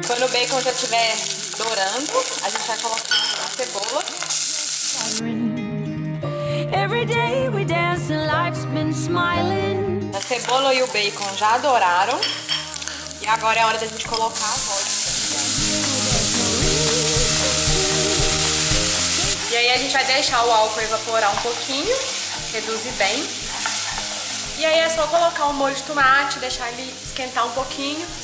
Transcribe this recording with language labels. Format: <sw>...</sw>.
<pt>bacon já estiver dourando, a gente vai colocar a cebola.</pt> <en>Every day we dance and life's been smiling.</en> <pt>A cebola e o bacon já douraram. E agora é a hora da gente colocar a vodka. E aí a gente vai deixar o álcool evaporar um pouquinho, reduzir bem. E aí é só colocar o molho de tomate, deixar ele esquentar um pouquinho.</pt>